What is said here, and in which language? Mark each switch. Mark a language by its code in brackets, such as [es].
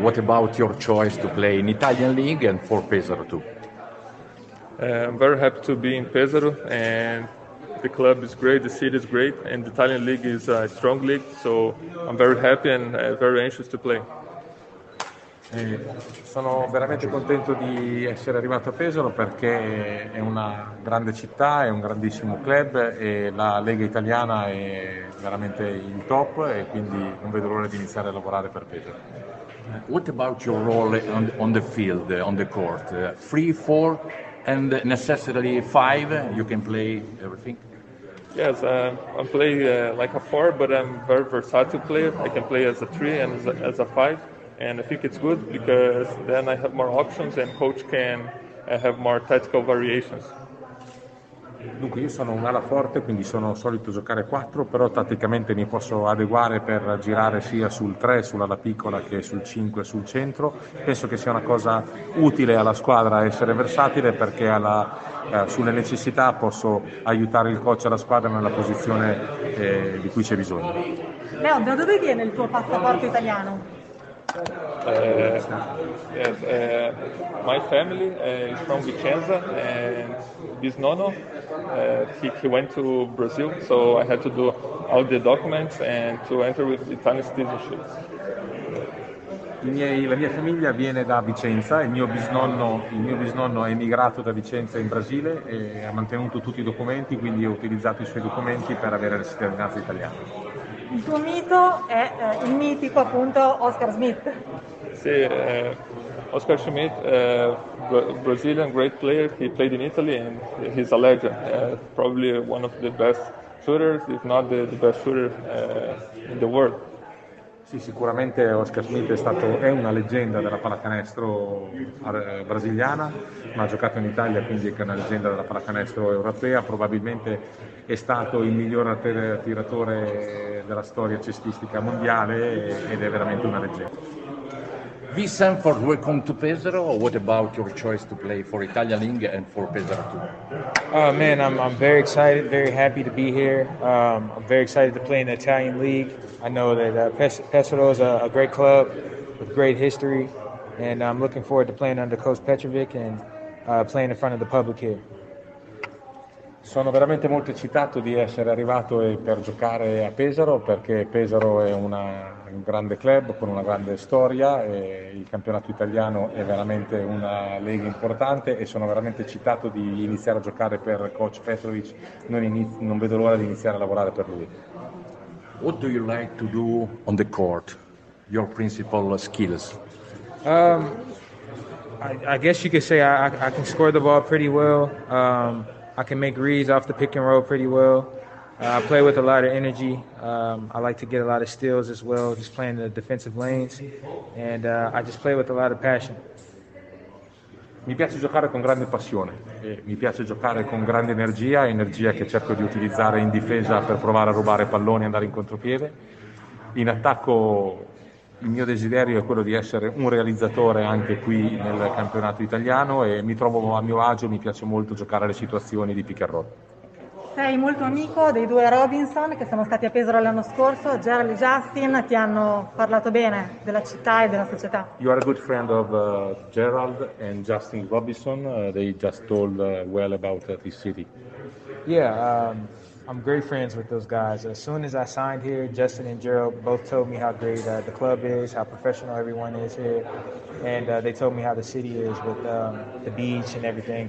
[en] What about your choice to play in Italian League and for Pesaro too? I'm very happy to be in Pesaro, and the club is great, the city is great, and the Italian League is a strong league, so I'm very happy and very anxious to play. [it] Sono veramente contento di essere arrivato a Pesaro perché è una grande città, è un grandissimo club e la Lega Italiana è veramente in top e quindi non vedo l'ora di iniziare a lavorare per Pesaro. [en] What about your role on the field, on the court? 3-4 and necessarily 5, you can play everything. Yes, I'm playing like a four, but I'm very versatile player. I can play as a three and as a five. And I think it's good because then I have more options and coach can have more tactical variations. [it] Dunque, io sono un ala forte, quindi sono solito giocare 4, però tatticamente mi posso adeguare per girare sia sul 3, sull'ala piccola, che sul 5, sul centro. Penso che sia una cosa utile alla squadra essere versatile perché sulle necessità posso aiutare il coach e la squadra nella posizione di cui c'è bisogno. Leo, da dove viene il tuo passaporto italiano? [en] My family is from Vicenza and bisnonno he went to Brazil, so I had to do all the documents and to enter with Italian citizenship. [it] La mia famiglia viene da Vicenza, il mio bisnonno è emigrato da Vicenza in Brasile e ha mantenuto tutti i documenti, quindi ho utilizzato i suoi documenti per avere la cittadinanza italiana. Il tuo mito è il mitico appunto Oscar Smith. [en] Sì, Oscar Schmidt, Brazilian great player, he played in Italy and he's a legend, probably one of the best shooters, if not the best shooter in the world. [it] Sì, sicuramente Oscar Schmidt è una leggenda della pallacanestro brasiliana, ma ha giocato in Italia, quindi è una leggenda della pallacanestro europea. Probabilmente è stato il miglior tiratore della storia cestistica mondiale ed è veramente una leggenda. [en] V. Sanford, welcome to Pesaro. What about your choice to play for Italia Ligue and for Pesaro too? Man, I'm very excited, very happy to be here. I'm very excited to play in the Italian League. I know that Pesaro is a great club with great history, and I'm looking forward to playing under Coach Petrovic and playing in front of the public here. [it] Sono veramente molto eccitato di essere arrivato per giocare a Pesaro, perché Pesaro è un grande club con una grande storia e il campionato italiano è veramente una lega importante, e sono veramente eccitato di iniziare a giocare per Coach Petrovic. Non vedo l'ora di iniziare a lavorare per lui. [en] What do you like to do on the court? Your principal skills? I guess you could say I can score the ball pretty well. I can make reads off the pick and roll pretty well. I play with a lot of energy. I like to get a lot of steals as well, just playing the defensive lanes. And I just play with a lot of passion. [it] Mi piace giocare con grande passione. Mi piace giocare con grande energia, energia che cerco di utilizzare in difesa per provare a rubare palloni e andare in contropiede. In attacco, il mio desiderio è quello di essere un realizzatore anche qui nel campionato italiano, e mi trovo a mio agio, mi piace molto giocare le situazioni di pick and roll. Sei molto amico dei due Robinson che sono stati a Pesaro l'anno scorso, Gerald e Justin. Ti hanno parlato bene della città e della società? [en] You are a good friend of Gerald and Justin Robinson. They just told well about this city. Yeah, I'm great friends with those guys. As soon as I signed here, Justin and Gerald both told me how great the club is, how professional everyone is here, and they told me how the city is with the beach and everything.